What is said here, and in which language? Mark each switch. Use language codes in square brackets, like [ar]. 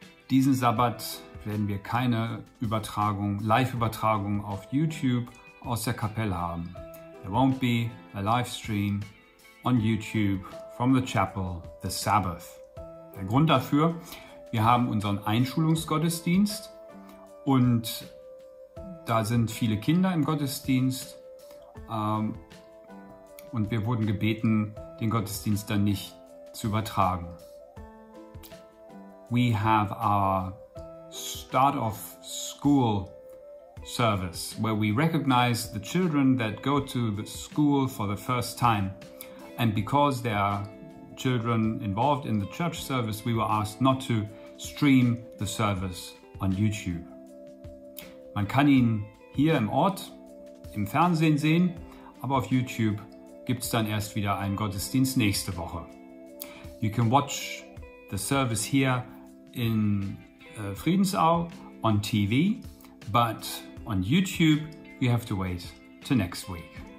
[de] Diesen Sabbat werden wir keine Übertragung, Live-Übertragung auf YouTube aus der Kapelle haben. [en] There won't be a live stream on YouTube from the chapel this Sabbath. [de] Der Grund dafür, wir haben unseren Einschulungsgottesdienst. Und da sind viele Kinder im Gottesdienst und wir wurden gebeten, den Gottesdienst dann nicht zu übertragen. [en] We have our start of school service, where we recognize the children that go to the school for the first time. And because there are children involved in the church service, we were asked not to stream the service on YouTube. [de] Man kann ihn hier im Ort im Fernsehen sehen, aber auf YouTube gibt es dann erst wieder einen Gottesdienst nächste Woche. [en] You can watch the service here in Friedensau on TV, but on YouTube you have to wait till next week.